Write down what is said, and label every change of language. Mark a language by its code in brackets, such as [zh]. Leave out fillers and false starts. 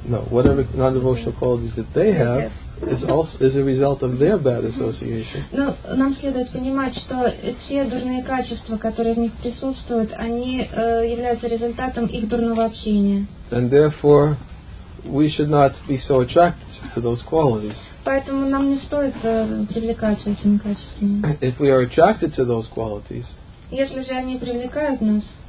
[en] Whatever non-devotional qualities that they have is a result of their bad association. [ru] Ну, нам следует понимать, что все дурные качества, которые в них присутствуют, они являются результатом их дурного общения. [en] And therefore, we should not be so attracted to those qualities. [ru] Поэтому нам не стоит привлекаться этими качествами. [en] If we are attracted to those qualities, [ru] если же они привлекают нас,